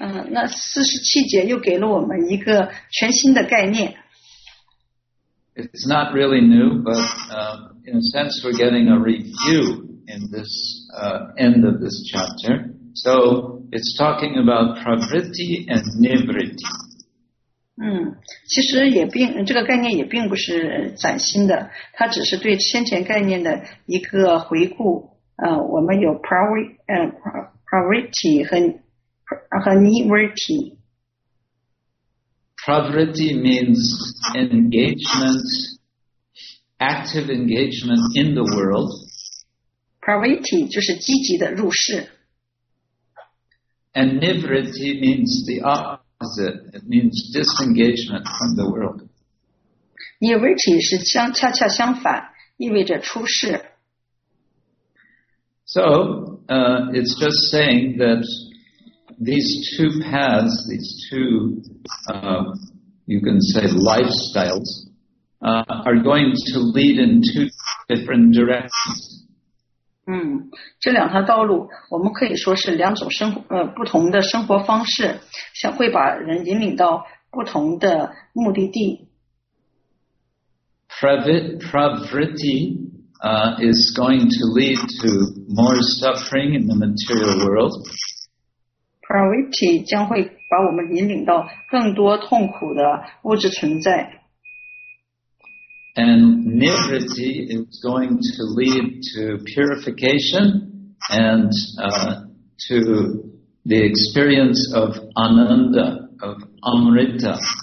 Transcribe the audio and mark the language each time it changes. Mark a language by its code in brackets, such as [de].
[zh] 那四十七节又给了我们一个全新的概念。 [en] It's not really new, but in a sense, we're getting a review in this end of this chapter. So it's talking about pravritti and nivritti. [zh] 其实也并这个概念也并不是崭新的，它只是对先前概念的一个回顾。我们有 pravritti 和 nivritti。 [en] Pravritti means engagement, active engagement in the world. [zh] Pravritti 就是积极的入世。 [en] And nivritti means the opposite. of it. It means disengagement from the world. [zh] Nirviti 是相恰恰相反，意味着出世。 [en] So, it's just saying that these two paths, these two, you can say lifestyles, are going to lead in two different directions. [zh] 这两条道路我们可以说是两种生活不同的生活方式，像会把人引领到不同的目的地。 [en] Pravritti, is going to lead to more suffering in the material world. [zh] Pravritti 将会把我们引领到更多痛苦的物质存在。 [en] And Nivritti is going to lead to purification and, to the experience of Ananda, of Amrita.